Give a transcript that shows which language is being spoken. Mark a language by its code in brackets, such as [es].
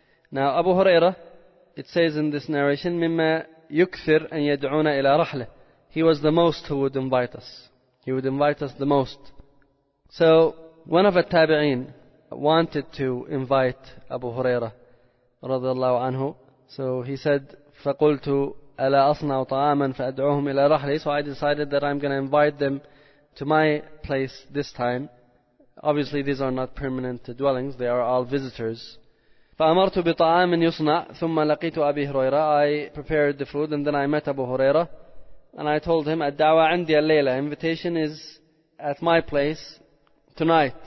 [en] Now Abu Hurairah, it says in this narration, [ar] مِمَّا يُكْثِرْ أَن يَدْعُونَ إِلَىٰ رَحْلَةٍ, [en] he was the most who would invite us. He would invite us the most. So one of the Tabi'een wanted to invite Abu Hurairah رضي الله عنه. So he said, [ar] فَقُلْتُ أَلَا أَصْنَعُ طَعَامًا فَأَدْعُوهُمْ إِلَىٰ رَحْلِي. [en] So I decided that I'm going to invite them to my place this time. Obviously these are not permanent dwellings, they are all visitors. [ar] فَأَمَرْتُ بِطَعَامٍ يُصْنَعُ ثُمَّ لَقِيتُ أَبِي هُرَيْرَةَ, [en] I prepared the food and then I met Abu Huraira. And I told him, [ar] الدعوة عندي الليلة, [en] invitation is at my place tonight.